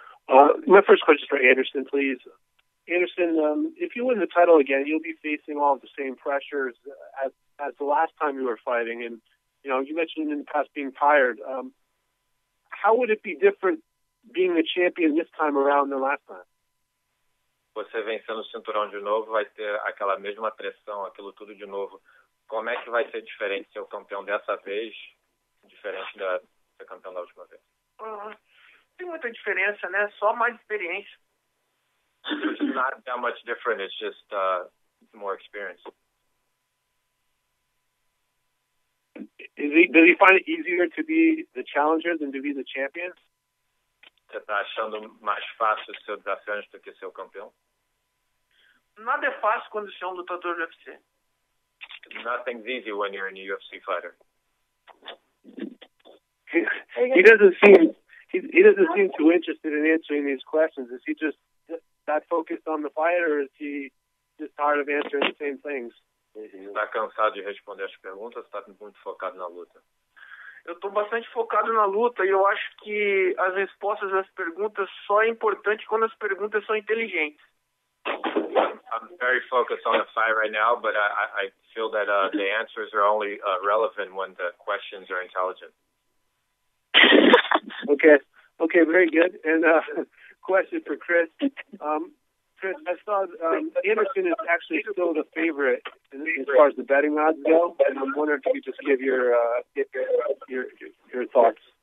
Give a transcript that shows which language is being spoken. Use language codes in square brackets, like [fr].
[en] My first question is for Anderson, please. Anderson, if you win the title again, you'll be facing all of the same pressures as the last time you were fighting. And, you know, you mentioned in the past being tired. How would it be different being the champion this time around than last time? [pt] Você vencendo o cinturão de novo vai ter aquela mesma pressão, aquilo tudo de novo. Como é que vai ser diferente ser o campeão dessa vez? Diferente da ser campeão da última vez. Tem muita diferença, né? Só mais experiência. [en] It's not that much different, it's just more experience. Does he find it easier to be the challenger than to be the champion? [pt] Você tá achando mais fácil ser o desafiante do que ser o campeão? Nada é fácil quando você é lutador do UFC. [en] Nothing's easy when you're a UFC fighter. He doesn't seem too interested in answering these questions. Is he just that focused on the fight, or is he just tired of answering the same things? [pt] Está cansado de responder as perguntas, está muito focado na luta. Eu estou bastante focado na luta, e eu acho que as respostas às perguntas só é importante quando as perguntas são inteligentes. [en] I'm very focused on the fight right now, but I feel that the answers are only relevant when the questions are intelligent. Okay, very good. And question for Chris. Chris, I saw Anderson is actually still the favorite as far as the betting odds go, and I'm wondering if you could just give your thoughts.